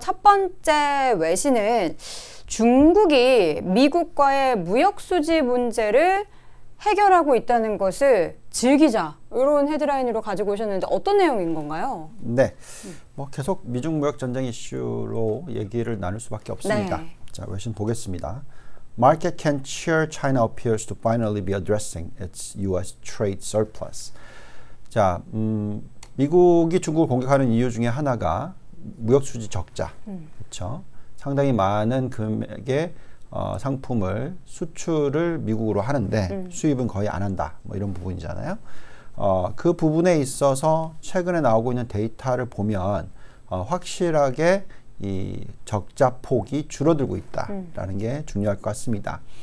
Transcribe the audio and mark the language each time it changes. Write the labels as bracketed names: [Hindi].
[Korean] 첫 번째 외신은 중국이 미국과의 무역 수지 문제를 해결하고 있다는 것을 즐기자, 이런 헤드라인으로 가지고 오셨는데 어떤 내용인 건가요? 네. 뭐 계속 미중 무역 전쟁 이슈로 얘기를 나눌 수밖에 없습니다. 네. 자, 외신 보겠습니다. [English] Market can cheer China appears to finally be addressing its US trade surplus. [Korean] 자, 미국이 중국을 공격하는 이유 중에 하나가 무역 수지 적자. 그렇죠? 상당히 많은 금액의 상품을 수출을 미국으로 하는데 수입은 거의 안 한다. 뭐 이런 부분이잖아요. 그 부분에 있어서 최근에 나오고 있는 데이터를 보면 확실하게 이 적자 폭이 줄어들고 있다라는 게 중요할 것 같습니다.